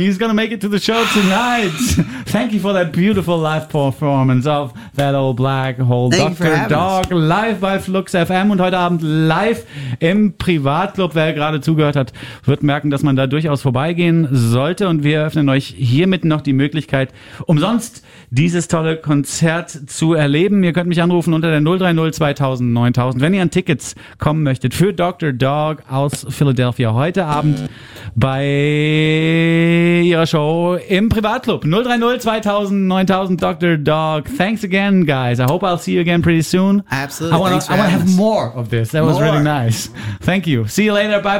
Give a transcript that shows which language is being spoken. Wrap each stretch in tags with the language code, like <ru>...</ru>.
<en>He's going to make it to the show tonight. Thank you for that beautiful live performance of That Old Black Hole. Thank Dr.</en> <de>Dog, live by Flux FM und heute Abend live im Privatclub. Wer gerade zugehört hat, wird merken, dass man da durchaus vorbeigehen sollte. Und wir eröffnen euch hiermit noch die Möglichkeit, umsonst dieses tolle Konzert zu erleben. Ihr könnt mich anrufen unter der 030 2000 9000. Wenn ihr an Tickets kommen möchtet für Dr. Dog aus Philadelphia heute Abend bei ihrer Show im Privatclub.</de> <en>030 2000 9000 Dr. Dog. Thanks again, guys. I hope I'll see you again pretty soon. Absolutely. I want to have more of this. That was really nice. Thank you. See you later. Bye-bye.</en>